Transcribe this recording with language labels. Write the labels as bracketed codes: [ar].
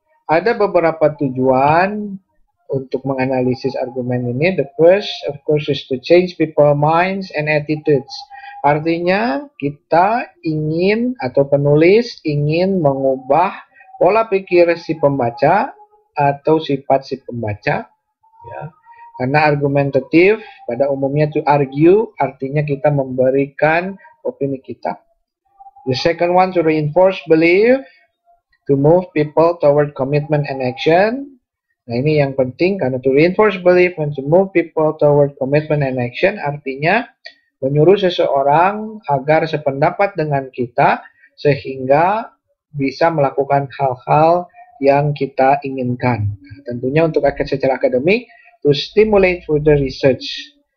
[id] Ada beberapa tujuan untuk menganalisis argumen ini. [en] The first, of course, is to change people's minds and attitudes. [id] Artinya, kita ingin atau penulis ingin mengubah pola pikir si pembaca atau sifat si pembaca. Ya. Karena argumentative, pada umumnya [en] to argue, [id] artinya kita memberikan opini kita. [en] The second one, to reinforce belief, to move people toward commitment and action. [id] Nah, ini yang penting, karena [en] to reinforce belief and to move people toward commitment and action, [id] artinya menyuruh seseorang agar sependapat dengan kita, sehingga bisa melakukan hal-hal yang kita inginkan. Nah, tentunya untuk secara akademik, [en] to stimulate further research.